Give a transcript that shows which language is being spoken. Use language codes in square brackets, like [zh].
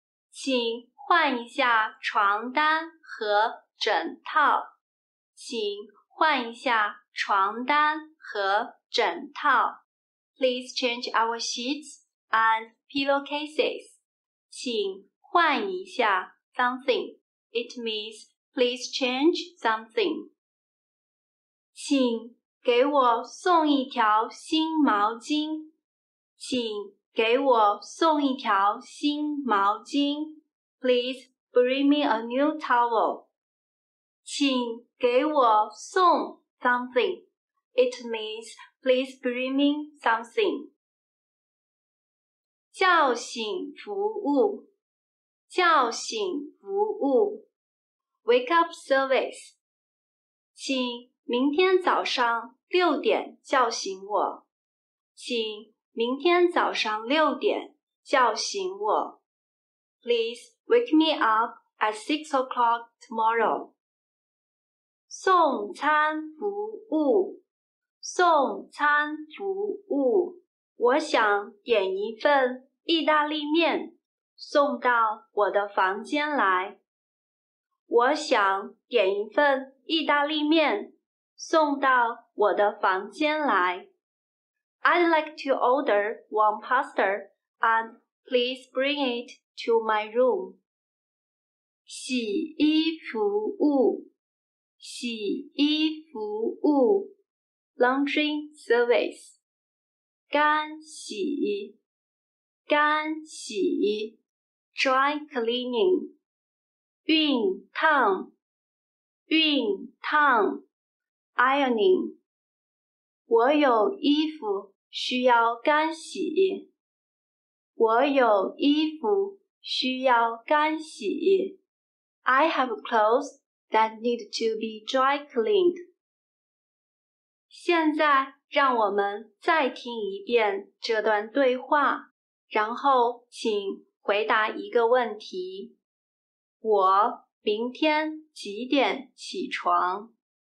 [zh] 请换一下床单和枕套。请换一下床单和枕套。 [en] Please change our sheets and pillowcases. [zh] 请换一下 [en] something. It means please change something. [zh] 请给我送一条新毛巾。请给我送一条新毛巾。 [en] Please bring me a new towel. [zh] 请给我送 [en] something. It means please bring me something. [zh] 叫醒服务，叫醒服务 , [en] wake up service. [zh] 请明天早上6点叫醒我。请明天早上6点叫醒我。 [en] Please Wake me up at 6 o'clock tomorrow. [zh] 送餐服务，送餐服务。我想点一份意大利面，送到我的房间来。我想点一份意大利面，送到我的房间来。 [en] I'd like to order one pasta and please bring it to my room. [zh] 洗衣服务，洗衣服务 [en] ，laundry service， [zh] 干洗，干洗 [en] ，dry cleaning， [zh] 熨烫，熨烫 [en] ，ironing。 [zh] 我有衣服需要干洗，我有衣服需要干洗 [en] ，I have clothes. That need to be dry cleaned. [zh] 现在让我们再听一遍这段对话，然后请回答一个问题。我明天几点起床？